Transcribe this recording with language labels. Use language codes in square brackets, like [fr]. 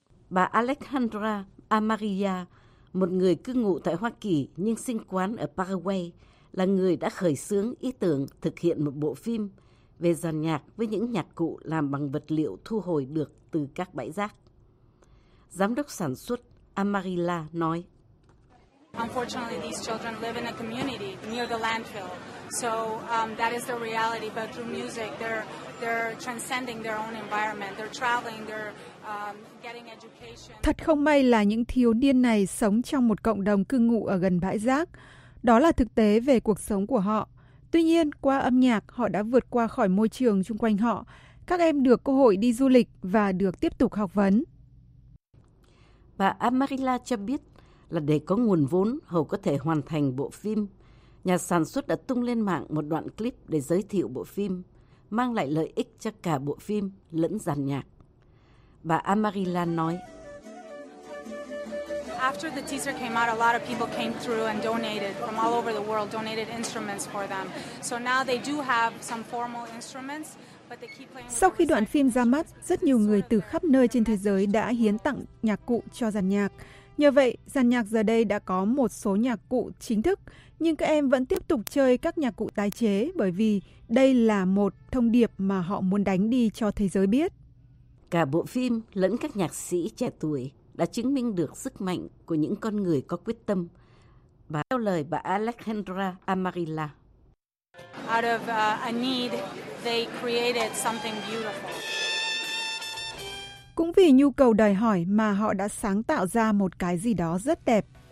[vi] Bà Alejandra Amarilla, một người cư ngụ tại Hoa Kỳ nhưng sinh quán ở Paraguay, là người đã khởi xướng ý tưởng thực hiện một bộ phim về dàn nhạc với những nhạc cụ làm bằng vật liệu thu hồi được từ các bãi rác. Giám đốc sản xuất Amarilla nói, [en] unfortunately, these children live in a community near the landfill. So that is the reality. But through music, they're transcending their own environment. They're traveling. They're getting education. [vi] Thật không may là những thiếu niên này sống trong một cộng đồng cư ngụ ở gần bãi rác. Đó là thực tế về cuộc sống của họ. Tuy nhiên, qua âm nhạc, họ đã vượt qua khỏi môi trường xung quanh họ. Các em được cơ hội đi du lịch và được tiếp tục học vấn. Bà Amarilla cho biết là để có nguồn vốn hầu có thể hoàn thành bộ phim, nhà sản xuất đã tung lên mạng một đoạn clip để giới thiệu bộ phim, mang lại lợi ích cho cả bộ phim lẫn dàn nhạc. Bà Amarilla nói, [en] after the teaser came out, a lot of people came through and donated from all over the world, donated instruments for them. So now they do have some formal instruments. [vi] Sau khi đoạn phim ra mắt, rất nhiều người từ khắp nơi trên thế giới đã hiến tặng nhạc cụ cho dàn nhạc. Nhờ vậy, dàn nhạc giờ đây đã có một số nhạc cụ chính thức, nhưng các em vẫn tiếp tục chơi các nhạc cụ tái chế bởi vì đây là một thông điệp mà họ muốn đánh đi cho thế giới biết. Cả bộ phim lẫn các nhạc sĩ trẻ tuổi đã chứng minh được sức mạnh của những con người có quyết tâm. Và theo lời bà Alejandra Amarilla, [en] out of a need they created something beautiful. [vi] Cũng vì nhu cầu đòi hỏi mà họ đã sáng tạo ra một cái gì đó rất đẹp.